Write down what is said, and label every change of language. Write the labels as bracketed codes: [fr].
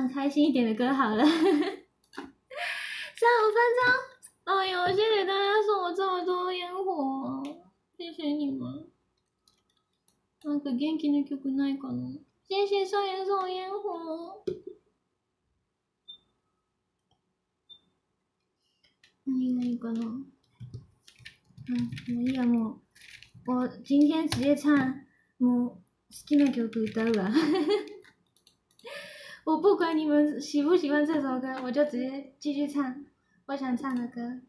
[zh] 新一点的歌好了，三五分钟。哎呦，谢谢大家送我这么多烟火，谢谢你们。 [ja] なんか元気な曲ないかな？ [zh] 谢谢少爷送烟火。 [ja] 何がいいかな？もういいや、もう [zh] 我今天直接唱 [ja] もう好きな曲歌うわ。 [zh] 我不管你们喜不喜欢这首歌，我就直接继续唱我想唱的歌。